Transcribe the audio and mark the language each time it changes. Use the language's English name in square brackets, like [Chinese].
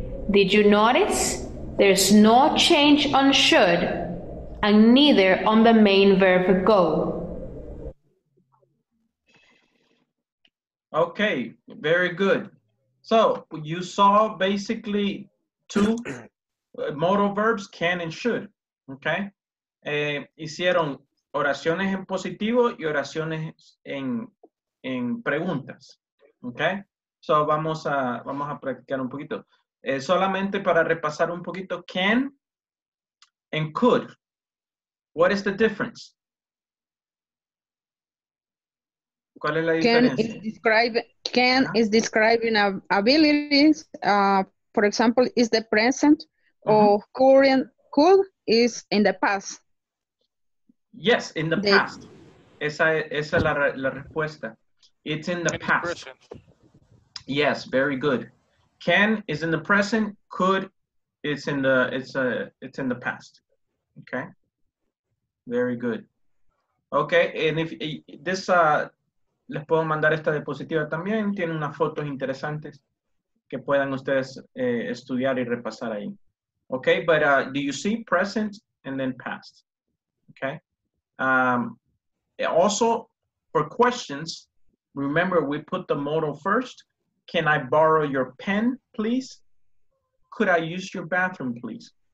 [English] Did you notice? There's no change on should and neither on the main verb go. Okay, very good. So you saw basically two modal verbs, can and should, okay? [Spanish] Hicieron oraciones en positivo y oraciones en preguntas, okay? So vamos a practicar un poquito. Solamente para repasar un poquito, can and could. [English] What is the difference? [Spanish] ¿Cuál es la diferencia? [English] Can is describing abilities. For example, is the present, or current. Could is in the past. Yes, in the past. [Spanish] Esa es la respuesta. [English] It's in the past. Present. Yes, very good. Can is in the present. Could is in the it's in the past. Okay. Very good. Okay, and if this [Spanish] les puedo mandar esta diapositiva también. Tiene unas fotos interesantes que puedan ustedes estudiar y repasar ahí. [English] Okay, but do you see present and then past? Okay. Also, for questions, remember we put the modal first. Can I borrow your pen, please? Could I use your bathroom, please?